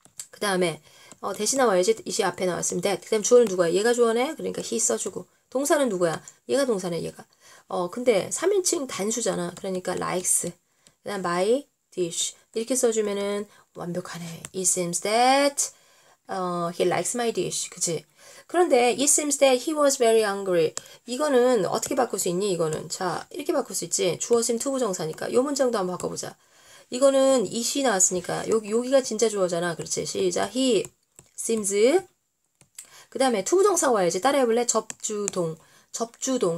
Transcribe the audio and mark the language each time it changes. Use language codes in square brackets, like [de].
[ko] 그 다음에 대시 나와야지. it이 앞에 나왔으면 that. 그 다음 주어는 누구야? 얘가 주어네. 그러니까 he 써주고. 동사는 누구야? 얘가 동사네. 얘가. 근데 3인칭 단수잖아. 그러니까 likes. 그 다음 my dish. 이렇게 써주면은 완벽하네. [en] it seems that he likes my dish. [ko] 그치? [en] 그런데 it seems that he was very angry. [ko] 이거는 어떻게 바꿀 수 있니? 이거는 자 이렇게 바꿀 수 있지. 주어 seem to 부정사니까 요 문장도 한번 바꿔보자. 이거는 is이 나왔으니까 여기가 진짜 주어잖아. 그렇지? 시작. [en] He seems. [ko] 그다음에 to 부정사 와야지. 따라해볼래? 접주동. 접주동.